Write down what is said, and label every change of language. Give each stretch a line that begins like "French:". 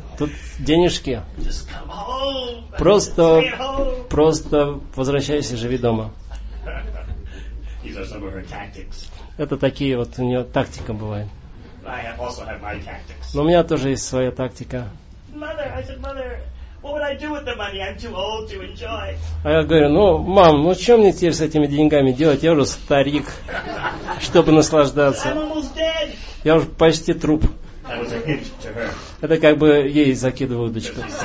Russian: Тут денежки.
English: Just come home.
Russian: Просто возвращайся, живи дома.
English: These are some of her tactics.
Russian: Это такие вот у нее тактика бывает.
English: I also have my tactics.
Russian: Но у меня тоже есть своя тактика.
English: Mother, I said, mother, what would I do with the money? I'm too old to enjoy.
Russian: А я говорю, ну, мам, ну что мне теперь с этими деньгами делать? Я уже старик, чтобы наслаждаться.
English: I'm almost dead.
Russian: Я уже почти труп.
English: That was a hint to her.
Russian: Это как бы ей закидываю удочку.